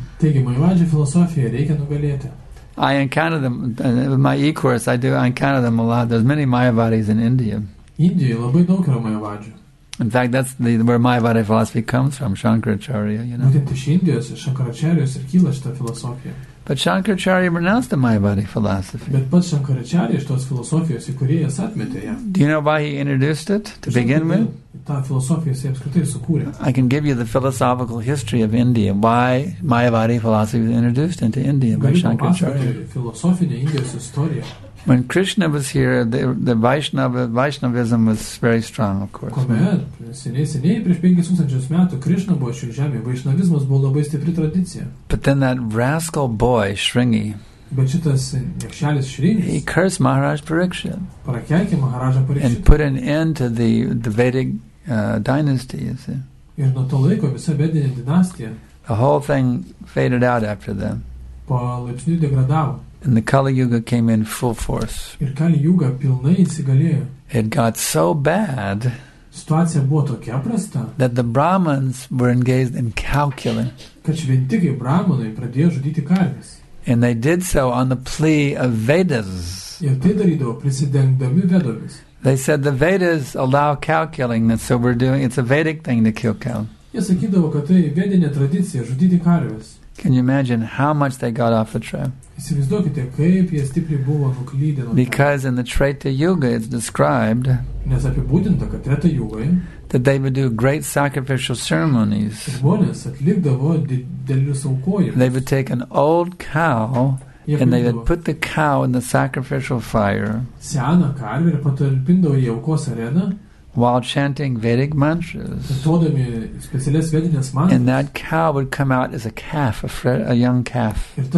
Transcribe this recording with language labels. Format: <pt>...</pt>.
<lt>Taigi, Mayavadžių filosofija reikia nugalėti.</lt> <en>I encounter them in my e-course. I encounter them a lot. There's many Mayavadis in India.</en> <lt>Indijoje labai daug yra Mayavadžių.</lt> <en>In fact, that's the, where Mahavada philosophy comes from, Shankaracharya, you know.</en> <lt>Būtent iš Indijos, iš Shankaracharyos ir kyla šita filosofija.</lt> <en>But Shankaracharya renounced the Mahavada philosophy.</en> <lt>Bet pats Shankaracharya šitos filosofijos įkūrėjas atmetė ją.</lt> <en>Do you know why he introduced it to begin with?</en> <lt>Tą filosofiją jis apskritai sukūrė.</lt> <en>I can give you the philosophical history of India, why Mahavada philosophy was introduced into India by Shankaracharya.</en> <lt>Filosofinė Indijos istorija.</lt> <en>When Krishna was here, the Vaishnavism was very strong, of course.</en> <lt>Kuomet, seniai, prieš 5000 metų, Krishna buvo šioje žemėje, Vaishnavizmas buvo labai stipri tradicija.</lt> <en>But then that rascal boy, Sringi,</en> <lt>bet šitas nekšelis Šringis,</lt> <en>he cursed Maharaj Parikshit.</en> <lt>Prakeikė Maharaja Parikshit.</lt> <en>And put an end to the Vedic dynasty, you see.</en> <lt>Ir nuo to laiko visa vedinė dinastija.</lt> <en>The whole thing faded out after that.</en> <lt>Palaipsniui degradavo.</lt> <en>And the Kali Yuga came in full force.</en> <lt>Ir Kali Yuga pilnai įsigalėjo.</lt> <en>It got so bad.</en> <lt>Situacija buvo tokia prasta.</lt> <en>That the Brahmins were engaged in cow-killing.</en> <lt>Kad šventikai Brahmanai pradėjo žudyti karves.</lt> <en>And they did so on the plea of Vedas.</en> <lt>Ir tai darydavo prisidengdami Vedomis.</lt> <en>They said the Vedas allow cow-killing, and so we're doing, it's a Vedic thing to kill cow.</en> <lt>Jie sakydavo, kad tai vedinė tradicija žudyti karves.</lt> <en>Can you imagine how much they got off the trail?</en> <lt>Įsivaizduokite, kaip jie stipriai buvo nuklydę.</lt> <en>Because in the Treta Yuga it's described,</en> <lt>nes apibūdinta, kad Treta Yuga,</lt> <en>that they would do great sacrificial ceremonies.</en> <lt>Žmonės atlikdavo didelius aukojimus.</lt> <en>They would take an old cow and they would put the cow in the sacrificial fire.</en> <lt>Seną karvę ir patalpindavo į aukos areną.</lt> <en>While chanting Vedic mantras, and that cow would come out as a calf, a young calf.</en>